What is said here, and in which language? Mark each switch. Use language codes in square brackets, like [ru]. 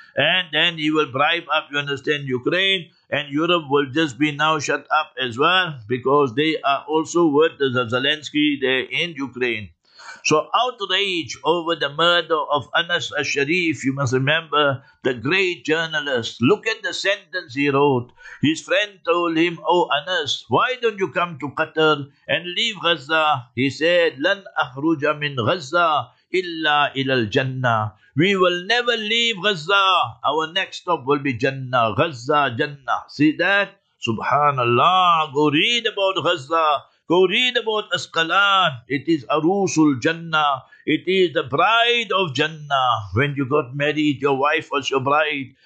[en] And then he will bribe up, you understand, Ukraine, and Europe will just be now shut up as well, because they are also with the Zelensky there in Ukraine. So outrage over the murder of Anas al-Sharif, you must remember, the great journalist. Look at the sentence he wrote. His friend told him, oh Anas, why don't you come to Qatar and leave Gaza? He said, [ar] لن أخرج من غزة إلا إلى الجنة. [en] We will never leave Gaza. Our next stop will be Jannah. Gaza, Jannah. See that? Subhanallah. Go read about Gaza. Go read about Asqalan. It is Arusul Jannah. It is the bride of Jannah. When you got married, your wife was your bride.